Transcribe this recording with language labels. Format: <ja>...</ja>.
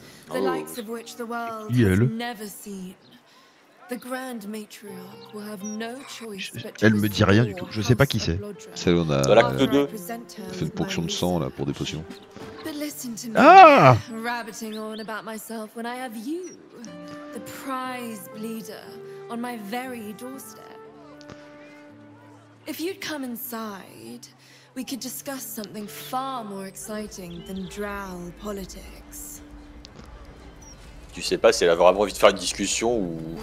<en>The likes of which the world has never seen. The grand matriarch will have no choice but to.</en> <fr>Elle me dit rien du tout. Je sais pas qui c'est. Celle où on a l'acte 2. On fait une ponction de sang là pour des potions.</fr> <en>But listen to me. Ah, rabbiting on about myself when I have you, the prize bleeder, on my very doorstep. If you'd come inside, we could discuss something far more exciting than drow politics.</en> <fr>Tu sais pas si elle a vraiment envie de faire une discussion ou.</fr>